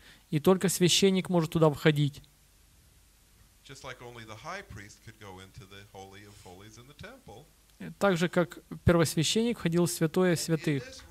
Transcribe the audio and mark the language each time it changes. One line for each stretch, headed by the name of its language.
Russian: И только священник может туда входить.
English: Just like only the high priest could go into the holy of holies in the temple.
Russian: Так же как первосвященник входил в святое святых.